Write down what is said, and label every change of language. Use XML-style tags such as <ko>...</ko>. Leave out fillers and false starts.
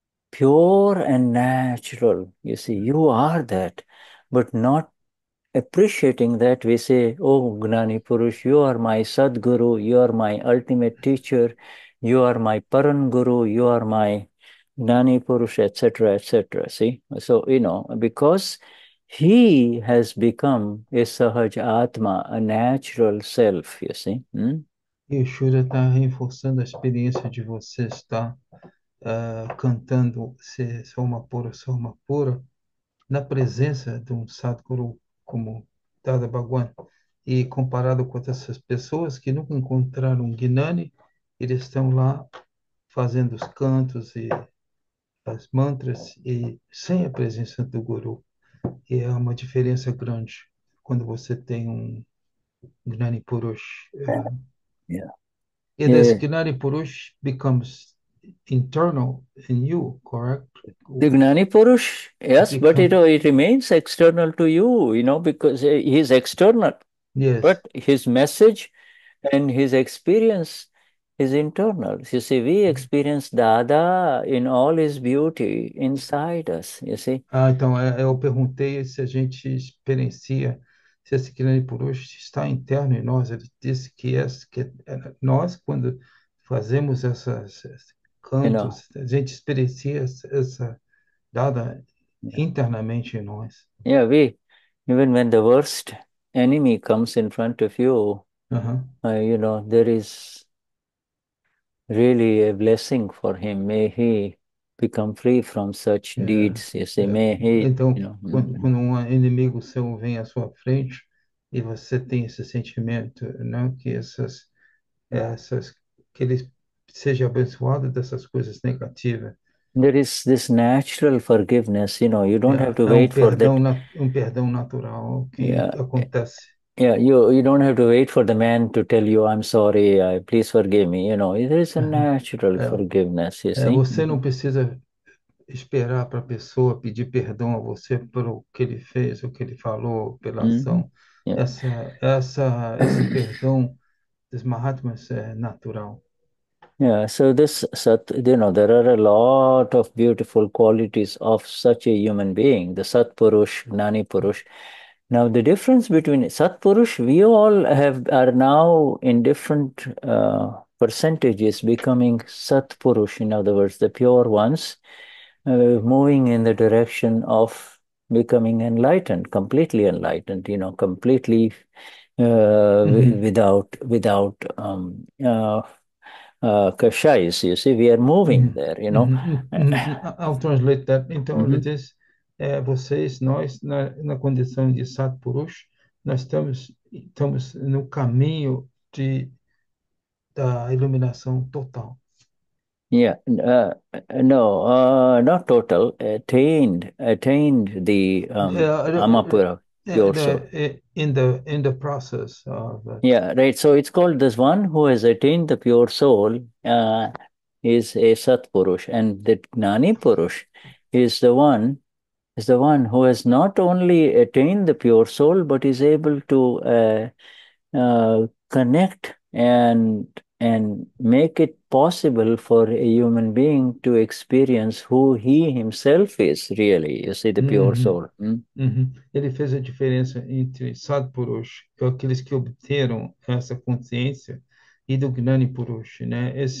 <en>pure and natural. You see, you are that, but not appreciating that, we say, oh, Gnani Purush, you are my Sadguru, you are my ultimate teacher, you are my Paran Guru, you are my Gnani Purush, etc., etc. See, so, because he has become a Sahaja Atma, a natural self, you see.</en> <pt>Yashoda está reforçando a experiência de você estar cantando ser Soma Pura, na presença de um Sadguru como Dada Bhagwan, e comparado com essas pessoas que nunca encontraram Gnani, eles estão lá fazendo os cantos e as mantras e sem a presença do Guru. E é uma diferença grande quando você tem um Gnani Purush.</pt> <en>And this Gnani Purush becomes internal in you, correct? The Gnani Purush, yes, but it remains external to you, because he's external, but his message and his experience is internal. You see, we experience Dada in all his beauty inside us, you see.</en> <pt>Ah, então eu perguntei se a gente experiencia. Se esse Gnani Purush está interno em nós, ele disse que nós, quando fazemos esses cantos, a gente experiencia essa dada internamente em nós.</pt> <en>Even when the worst enemy comes in front of you, there is really a blessing for him. May he become free from such deeds, you see. May he,</en> <pt>Então, quando um inimigo seu vem à sua frente, e você tem esse sentimento, não, que essas que ele seja abençoado dessas coisas negativas.</pt> <en>There is this natural forgiveness, you don't have to wait for that.</en> <pt>um perdão natural que acontece.</pt> <en>You don't have to wait for the man to tell you, I'm sorry, please forgive me. There is a natural forgiveness, you</en> <pt>É,</pt> <en>see.</en> <pt>você não precisa esperar para a pessoa pedir perdão a você pelo que ele fez, o que ele falou, pela ação. Esse perdão dos Mahatmas é natural.</pt> <en>So this, there are a lot of beautiful qualities of such a human being, the Sat Purush, Gnani Purush. Now, the difference between Sat Purush, we all are now in different percentages becoming Sat Purush, in other words, the pure ones, moving in the direction of becoming enlightened, completely without Kashais, you see, we are moving there, I'll translate that.</en> <pt>Então, ele diz, vocês, nós, na condição de Sat Purush, nós estamos no caminho da iluminação total.</pt> <en>Not total, attained the Amapura, pure soul. In the process of So it's called this one who has attained the pure soul is a Sat Purush, and the Gnani Purush is the one who has not only attained the pure soul but is able to connect and make it possible for a human being to experience who he himself is really, you see, the pure soul.</en> <pt>Ele fez a diferença entre Sat Purush, que é aqueles que obteram essa consciência, e do Gnani Purush, né?</pt>